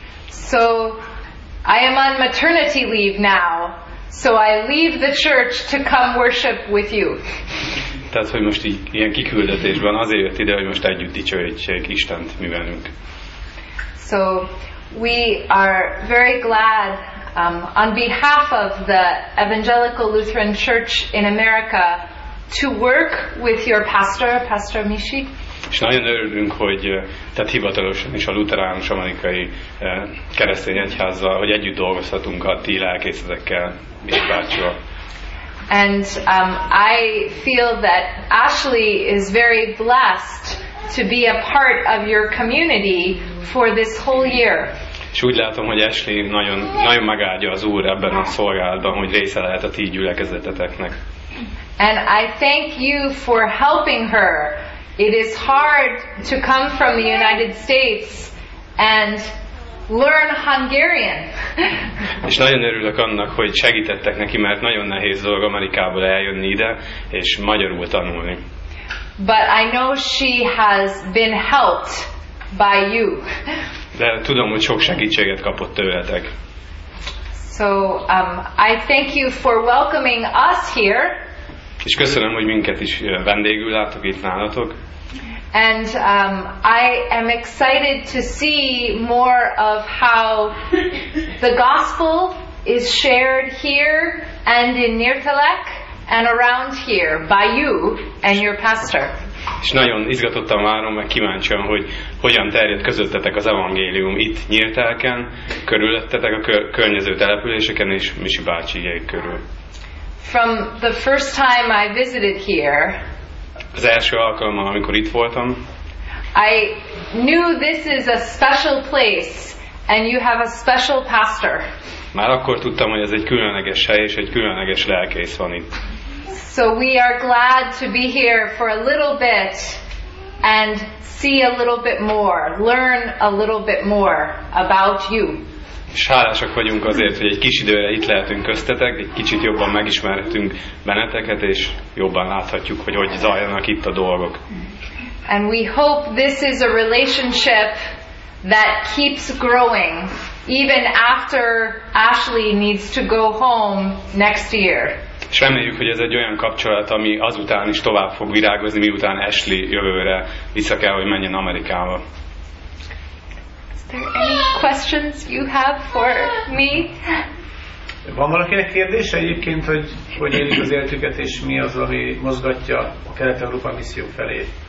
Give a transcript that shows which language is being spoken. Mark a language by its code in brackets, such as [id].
[en] So I am on maternity leave now, so I leave the church to come worship with you. [hu] Tehát, hogy most ilyen kiküldetésben azért jött ide, hogy most együtt dicsőítsék Istent mi velünk. [en] So we are very glad on behalf of the Evangelical Lutheran Church in America to work with your pastor, Pastor Mishi. [hu] És nagyon örülünk, hogy tehát hivatalosan is a luteránus amerikai keresztény egyházzal, hogy együtt dolgozhatunk a ti lelkészetekkel, Bécsi bácsival. [en] And I feel that Ashley is very blessed to be a part of your community for this whole year. [hu] És úgy látom, hogy Ashley nagyon, nagyon megáldja az Úr ebben a szolgálatban, hogy része lehet a ti gyülekezeteteknek. [en] And I thank you for helping her. It is hard to come from the United States and learn Hungarian. [hu] És nagyon örülök annak, hogy segítettek neki, mert nagyon nehéz dolog Amerikából eljönni ide és magyarul tanulni. [en] But I know she has been helped by you. [hu] De tudom, hogy sok segítséget kapott tőletek. [en] So I thank you for welcoming us here. [hu] És köszönöm, hogy minket is vendégül látok itt nálatok. [en] And I am excited to see more of how the gospel is shared here and in Nirtelek and around here by you and your pastor. [hu] És nagyon izgatottan várom, meg kíváncsian, hogy hogyan terjed közöttetek az evangélium itt Nirtelken, körülöttetek a környező településeken és Misi bácsijék körül. [en] From the first time I visited here, [hu] az első alkalommal, amikor itt voltam, [en] I knew this is a special place and you have a special pastor. [hu] Már akkor tudtam, hogy ez egy különleges hely és egy különleges lelkész van itt. [en] So we are glad to be here for a little bit and see a little bit more, learn a little bit more about you. [hu] És hálásak vagyunk azért, hogy egy kis időre itt lehetünk köztetek, egy kicsit jobban megismerhetünk benneteket, és jobban láthatjuk, hogy hogy zajlanak itt a dolgok. [en] And we hope this is a relationship that keeps growing even after Ashley needs to go home next year. [hu] És reméljük, hogy ez egy olyan kapcsolat, ami azután is tovább fog virágozni, miután Ashley jövőre vissza kell, hogy menjen Amerikába. [en] Are there any questions you have for me? [hu] Van valakinek kérdése egyébként, hogy érjük az életüket, és mi az, ami mozgatja a Kelet-Európa misszió felé?